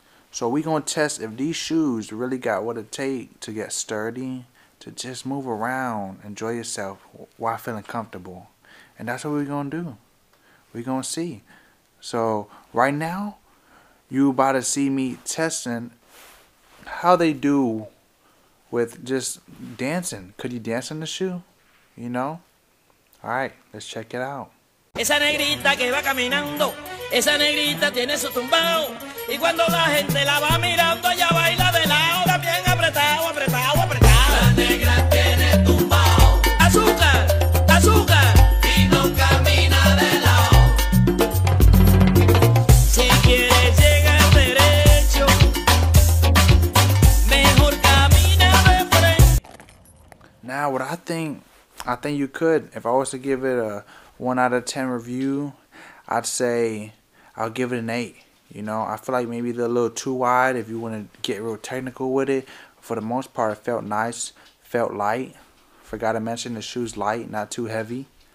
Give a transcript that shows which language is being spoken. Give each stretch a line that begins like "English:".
English: So we gonna test if these shoes really got what it take to get sturdy, to just move around, enjoy yourself while feeling comfortable. And that's what we gonna do. We gonna see. So right now, you about to see me testing how they do with just dancing. Could you dance in the shoe? You know? Alright, let's check it out.
Spanish: Esa negrita que va caminando, esa negrita tiene su tumbao. Y cuando la gente la va mirando, ella baila de lado, también apretado, apretado, apretado. La negra tiene tumbao. Azúcar, azúcar. Y no camina de lado. Si quieres llegar derecho, mejor camina de frente.
English: Now, what I think you could, if I was to give it a 1 out of 10 review, I'd say I'll give it an 8. You know, I feel like maybe they're a little too wide if you want to get real technical with it. For the most part, it felt nice, felt light. Forgot to mention the shoe's light, not too heavy.